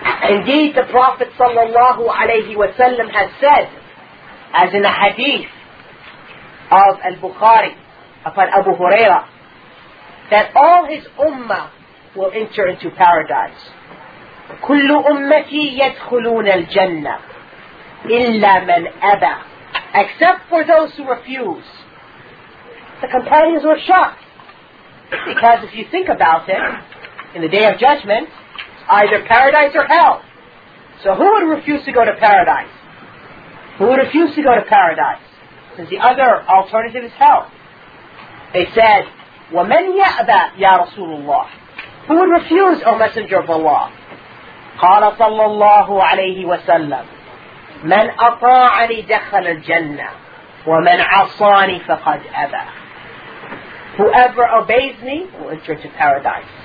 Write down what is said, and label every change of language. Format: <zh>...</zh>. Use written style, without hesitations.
<en>Indeed, the Prophet sallallahu alayhi wa sallam has said, as in a hadith of al-Bukhari upon Abu Huraira, that all his ummah will enter into paradise.</en> <ar>كل أمتي يدخلون الجنة إلا من أبى.</ar> <en>Except for those who refuse. The companions were shocked. Because if you think about it, in the day of judgment, either paradise or hell. So who would refuse to go to paradise? Who would refuse to go to paradise? Since the other alternative is hell. They said,</en> <ar>وَمَنْ يَأْبَى يَا رَسُولُ اللَّهِ.</ar> <en>Who would refuse, O Messenger of Allah?</en> <ar>قَالَ صَلَّى اللَّهُ عَلَيْهِ وَسَلَّمْ مَنْ أَطَاعَنِي دَخَلَ الْجَنَّةِ وَمَنْ عَصَانِي فَقَدْ أَبَى.</ar> <en>Whoever obeys me will enter into paradise.</en>